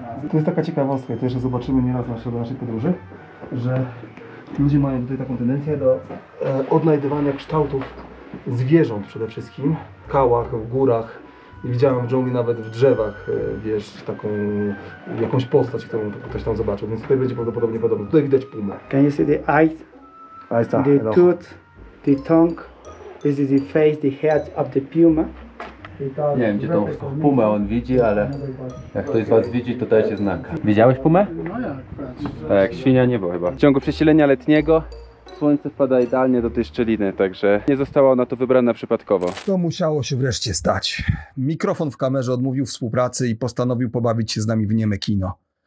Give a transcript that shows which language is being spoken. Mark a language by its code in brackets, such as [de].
[pl] To jest taka ciekawostka, to jeszcze zobaczymy nieraz na naszej podróży, że ludzie mają tutaj taką tendencję do odnajdywania kształtów zwierząt przede wszystkim, w kałach, w górach. Widziałem w dżungli nawet w drzewach, wiesz, taką jakąś postać, którą ktoś tam zobaczył, więc tutaj będzie prawdopodobnie podobne. Tutaj widać pumę. [en] Can you see the eyes? Eyes, the tooth, the tongue, this is the face, the head of the puma. [pl] Nie wiem, gdzie tą pumę on widzi, ale jak ktoś z was widzi, to dajcie znak. Widziałeś pumę? No jak. Tak, świnia nie było chyba. W ciągu przesilenia letniego słońce wpada idealnie do tej szczeliny, także nie została ona tu wybrana przypadkowo. To musiało się wreszcie stać. Mikrofon w kamerze odmówił współpracy i postanowił pobawić się z nami w nieme kino.